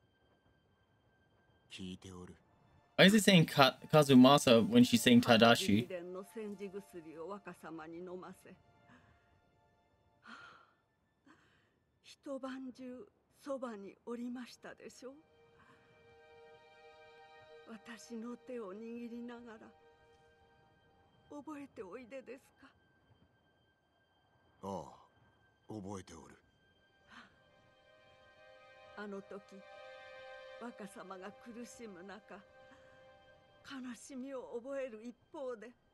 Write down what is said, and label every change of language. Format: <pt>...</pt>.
<ja>奥方様が亡くなった後でした。ただし様、いかがなされました。聞いておる。</ja> <en>Why is it saying Kazumasa when she's saying Tadashi?</en> <ja>秘伝の煎じ薬を若様に飲ませ、一晩中そばにおりましたでしょう。私の手を握りながら覚えておいでですか。ああ、覚えておる。あの時、若様が苦しむ中、悲しみを覚える一方で、</ja>